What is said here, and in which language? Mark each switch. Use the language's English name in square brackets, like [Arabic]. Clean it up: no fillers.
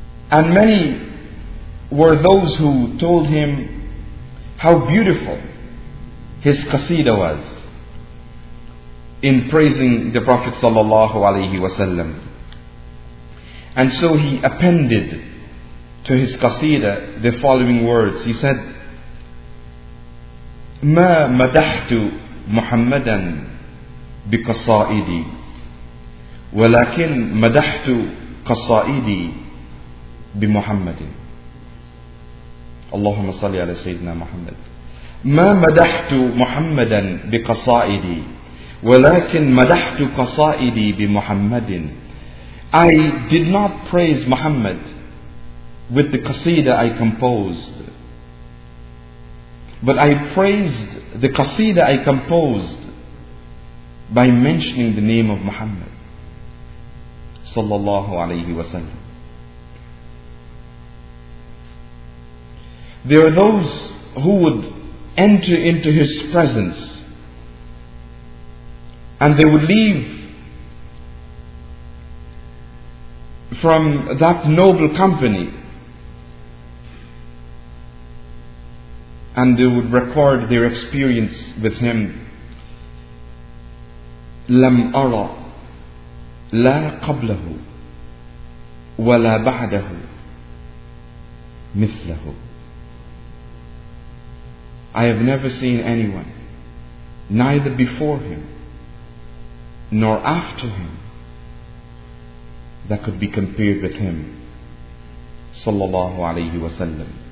[English] And many were those who told him how beautiful his qasida was in praising the Prophet sallallahu alayhi wa sallam. And so he appended to his qasida the following words. He said, [Arabic] مَا مَدَحْتُ مُحَمَّدًا بِقَصَائِدِي ولكن مدحت قصائدي بمحمد. اللهم صل على سيدنا محمد. ما مدحت محمدا بقصائدي ولكن مدحت قصائدي بمحمد. [English] I did not praise Muhammad with the qasida I composed, but I praised the qasida I composed by mentioning the name of Muhammad sallallahu alayhi wa sallam. There are those who would enter into his presence and they would leave from that noble company and they would record their experience with him. [Arabic] لم أرى لا قبله ولا بعده مثله. [English] I have never seen anyone, neither before him nor after him, that could be compared with him sallallahu alayhi wa sallam.